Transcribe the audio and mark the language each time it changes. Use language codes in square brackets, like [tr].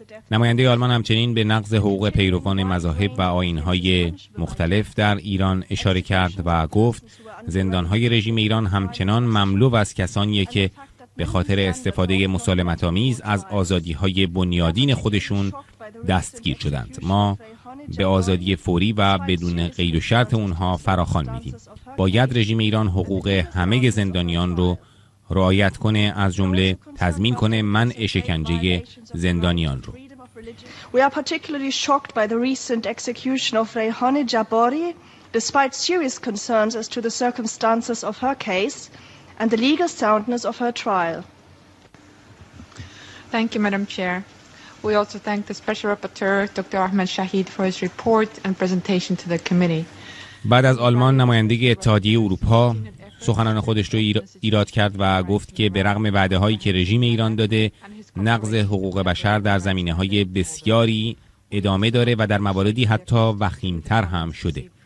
[fa] نماینده آلمان همچنین به نقض حقوق پیروان مذاهب و آیین‌های مختلف در ایران اشاره کرد و گفت زندان‌های رژیم ایران همچنان مملو از کسانی که به خاطر استفاده مسالمت‌آمیز از آزادی‌های بنیادین خودشون دستگیر شدند. ما به آزادی فوری و بدون قید و شرط اونها فراخوان می‌دیم. باید رژیم ایران حقوق همه زندانیان رو رعایت کنه، از جمله تضمین کنه منع شکنجه زندانیان رو. [en] We are particularly shocked by the recent execution of Reyhane Jabari, despite serious concerns as to the circumstances of her case and the legal soundness of her trial. Thank you, Madam Chair. We also thank the Special Rapporteur, Dr. Ahmed Shahid, for his report and presentation to the committee. [fa] بعد از آلمان نماینده اتحادیه اروپا سخنان خودش رو ایراد کرد و گفت که به رغم وعده‌هایی که رژیم ایران داده، نقض حقوق بشر در زمینه‌های بسیاری ادامه داره و در مواردی حتی وخیم‌تر هم شده.